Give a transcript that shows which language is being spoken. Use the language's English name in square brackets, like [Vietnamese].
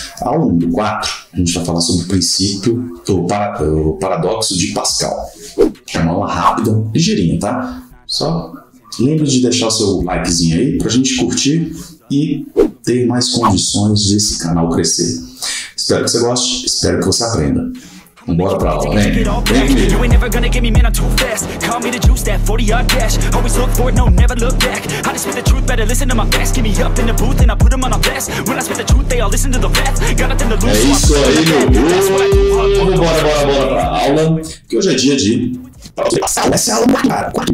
[Portuguese] Aula número 4, a gente vai falar sobre o princípio do paradoxo de Pascal. É uma aula rápida, ligeirinha, tá? Só lembre de deixar seu likezinho aí pra gente curtir e ter mais condições desse canal crescer. Espero que você goste, espero que você aprenda. Bora pra aula, vem! [English] You ain't never gonna get me, man, I'm too fast. Call me the juice, that 40-yard dash. Always look forward, no, never look back. I just spit the truth, better listen to my facts. Get me up in the booth and I put them on a vest. When I spit the truth, they all listen to the facts. Got nothing to lose, so I'm gonna get the best. [Portuguese] Bora pra aula, que hoje é dia de... Essa é a aula, cara.